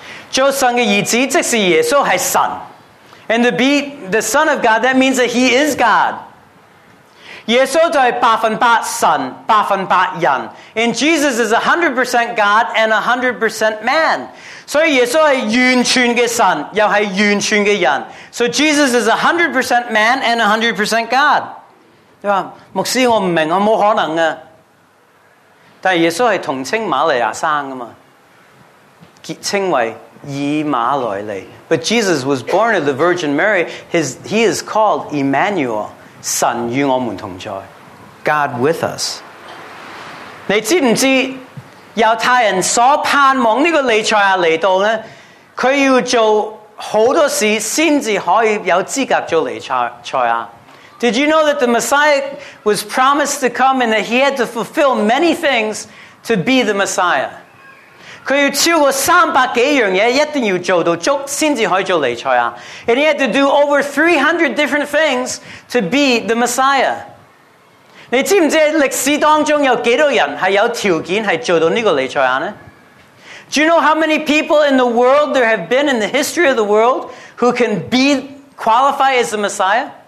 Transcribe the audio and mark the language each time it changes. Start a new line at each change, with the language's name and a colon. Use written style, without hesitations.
Cantonese: 做神的儿子，即是耶稣是神。
English: And to be the Son of God, that means that He is God.
Cantonese: 耶稣就是百分百神，百分百人。
English: And Jesus is 100% God and 100% man.
Cantonese: 所以耶稣是完全的神，又是完全的人。
English: So Jesus is 100% man and 100% God.
Cantonese: 你说，牧师，我不明白，没可能的。但耶稣是同称玛利亚生的嘛，称为以马内利。
English: But Jesus was born of the Virgin Mary. He is called Emmanuel,
Cantonese: 神与我们同在，
English: God with us.
Cantonese: 你知不知道犹太人所盼望这个尼赛亚来到呢？他要做很多事才可以有资格做尼赛亚。
English: Did you know that the Messiah was promised to come and that he had to fulfill many things to be the Messiah?
Cantonese: 他要超过三百几样嘢，一定要做到足，先至可以做尼赛亚。
English: And he had to do over 300 different things to be the Messiah.
Cantonese: 你知唔知历史当中有几多人系有条件系做到呢个尼赛亚呢？
English: Do you know how many people in the world there have been in the history of the world who can be qualify as the Messiah?